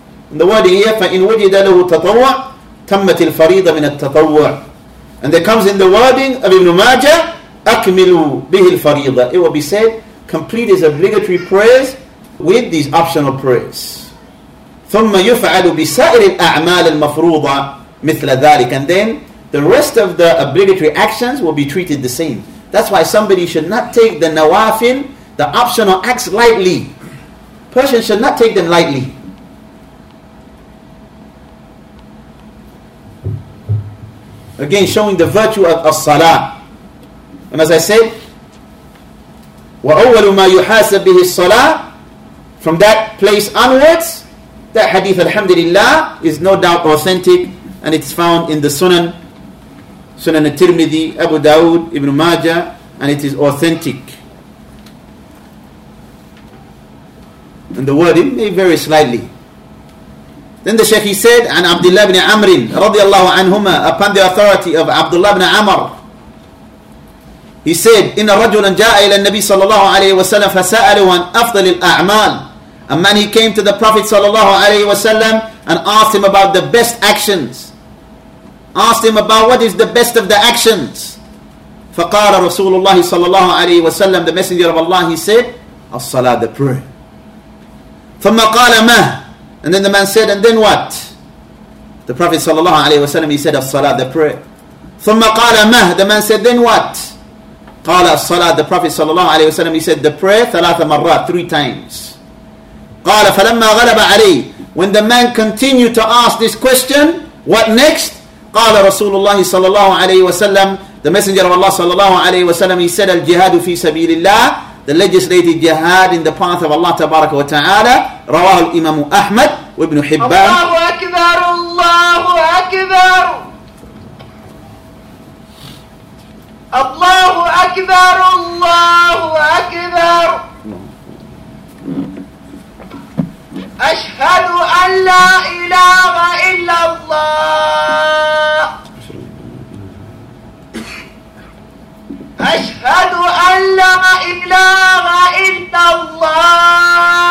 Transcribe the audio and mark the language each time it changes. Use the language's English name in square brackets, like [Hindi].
[English] And the word here, [Arabic] فَإِنْ وَجِدَ لَهُ تَطَوَّعْ تَمَّتِ الْفَرِيضَ مِنَ التَّطَوَّعْ. [English] And there comes in the wording of Ibn Majah, [Arabic] أَكْمِلُوا بِهِ الْفَرِيضَ. [English] It will be said, complete his obligatory prayers with these optional prayers. [Arabic] ثُمَّ يُفْعَلُ بِسَائِرِ الْأَعْمَالِ الْمَفْرُوضَةِ مِثْلَ ذَلِكَ. [English] And then the rest of the obligatory actions will be treated the same. That's why somebody should not take the nawafil, the optional acts, lightly. Person should not take them lightly. Again, showing the virtue of as-salah. And as I said, [Arabic] وَأَوَّلُ مَا يُحَاسَبْ بِهِ الصَّلَاةِ. [English] From that place onwards, that hadith, alhamdulillah, is no doubt authentic, and it's found in the Sunan, Sunan al-Tirmidhi, Abu Dawud, Ibn Majah, and it is authentic. And the word, it may vary slightly. Then the Shaykh, he said, [Arabic] عن عبد الله بن عمر رضي الله عنهما, [English] upon the authority of Abdullah ibn Amr, he said, [Arabic] إن رجلا جاء إلى النبي صلى الله عليه وسلم فسأله عن أفضل الأعمال. [English] A man, he came to the Prophet sallallahu alayhi wa sallam and asked him about the best actions. Asked him about what is the best of the actions. [Arabic] فَقَالَ رَسُولُ اللَّهِ صَلَّى اللَّهُ عَلَيْهِ وَسَلَّمْ. [English] The Messenger of Allah, he said, الصَّلَاةِ, the prayer. [Arabic] ثُمَّ قَالَ مَا. [English] And then the man said, and then what? The Prophet sallallahu alayhi wa sallam, he said, الصَّلَاةِ, the prayer. [Arabic] ثُمَّ قَالَ مَا. [English] The man said, then what? [Arabic] قال الصلاة, [English] the Prophet صلى الله عليه وسلم, he said the prayer [Arabic] ثلاث مرات, [English] three times. [Arabic] قال فلما غلب عليه, [English] when the man continued to ask this question, what next? [Arabic] قال رسول الله صلى الله عليه وسلم, [English] the Messenger of Allah [Arabic] صلى الله عليه وسلم, [English] he said [Arabic] الجهاد في سبيل الله, [English] the legislated jihad in the path of Allah [Arabic] تبارك وتعالى. رواه الإمام أحمد وابن حبان. الله أكبر الله أكبر الله أكبر الله أكبر أشهد أن لا إله إلا الله أشهد أن لا إله إلا الله